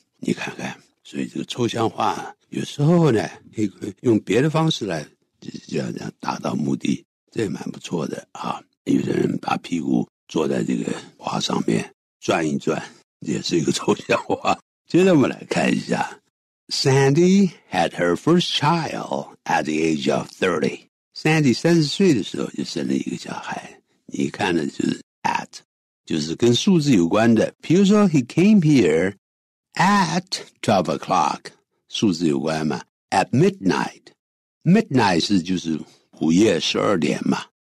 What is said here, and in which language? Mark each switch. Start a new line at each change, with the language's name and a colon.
Chinese: 你看看，所以这个抽象画。有时候呢可以用别的方式来这样达到目的，这也蛮不错的啊。有的人把屁股坐在这个花上面转一转，也是一个抽象画。接着我们来看一下。
English: Sandy had her first child at the age of 30.
Chinese: Sandy 30岁的时候就生了一个小孩。你看的就是 at, 就是跟数字有关的。比如说
English: he came here at 12 o'clock.
Chinese: 数字有关嘛 ,
English: at midnight,
Chinese: midnight 是就是午夜12点嘛。